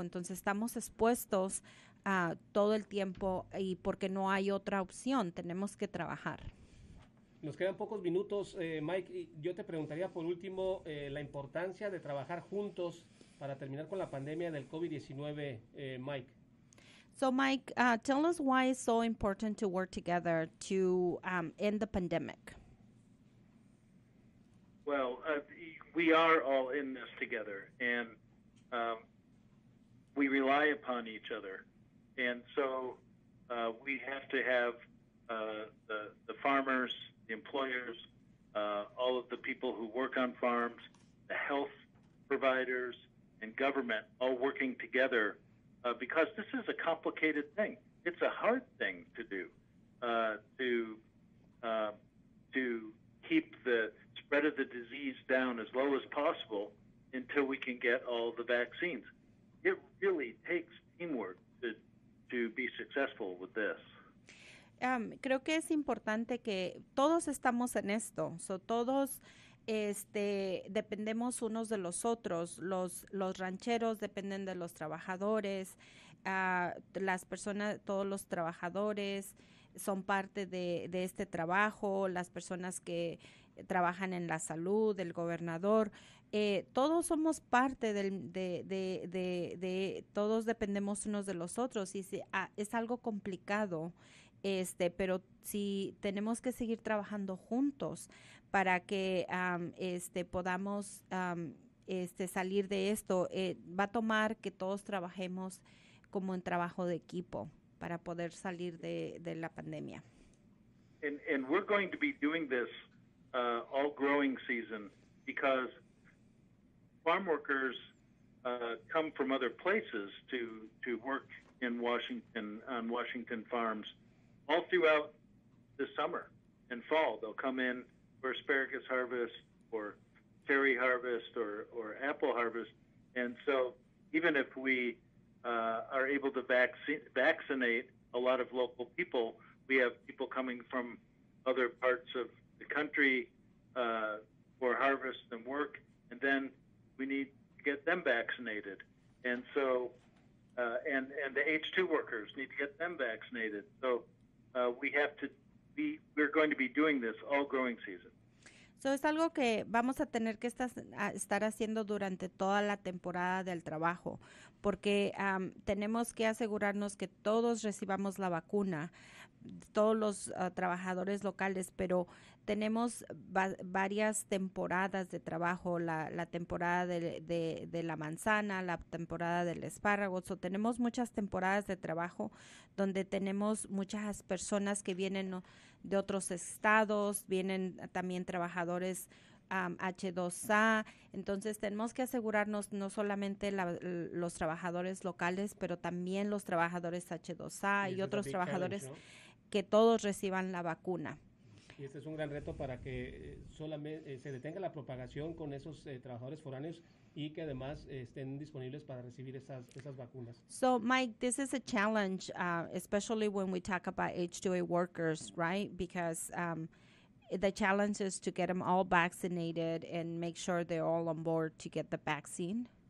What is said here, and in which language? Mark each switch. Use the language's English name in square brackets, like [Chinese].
[Spanish] Entonces, estamos expuestos todo el tiempo y porque no hay otra opción, tenemos que trabajar. Nos quedan pocos minutos, Mike. Yo te preguntaría por último la importancia de trabajar juntos para terminar con la pandemia del COVID-19, Mike. [English] So, Mike, tell us why it's so important to work together to end the pandemic. Well, we are all in this together, and we rely upon each other. And so we have to have the farmers, the employers, all of the people who work on farms, the health providers, and government all working together because this is a complicated thing. It's a hard thing to do, to keep the spread of the disease down as low as possible until we can get all the vaccines. It really takes teamwork to be successful with this. [Spanish] Creo que es importante que todos estamos en esto, so, todos este, dependemos unos de los otros, los rancheros dependen de los trabajadores, las personas, todos los trabajadores son parte de este trabajo, las personas que trabajan en la salud, el gobernador, todos somos parte de todos dependemos unos de los otros y es algo complicado. Este, pero si tenemos que seguir trabajando juntos para que este, podamos este, salir de esto, va a tomar que todos trabajemos como en trabajo de equipo para poder salir de la pandemia. [English] And we're going to be doing this all growing season because farm workers come from other places to work in Washington, on Washington farms. All throughout the summer and fall, they'll come in for asparagus harvest or cherry harvest or apple harvest. And so even if we are able to vaccinate a lot of local people, we have people coming from other parts of the country for harvest and work, and then we need to get them vaccinated. And so and the H2 workers need to get them vaccinated. So we're going to be doing this all growing season. [Spanish] So es algo que vamos a tener que estar haciendo durante toda la temporada del trabajo, porque tenemos que asegurarnos que todos recibamos la vacuna, todos los trabajadores locales, pero tenemos varias temporadas de trabajo, la temporada de la manzana, la temporada del espárrago, so, tenemos muchas temporadas de trabajo donde tenemos muchas personas que vienen de otros estados, vienen también trabajadores H2A, entonces tenemos que asegurarnos no solamente los trabajadores locales, pero también los trabajadores H2A y otros trabajadores que todos reciban la vacuna. Y este es un gran reto para que solamente se detenga la propagación con esos trabajadores foráneos y que además estén disponibles para recibir esas vacunas. [English] So, Mike, this is a challenge, especially when we talk about H2A workers, right? Because the challenge is to get them all vaccinated and make sure they're all on board to get the vaccine.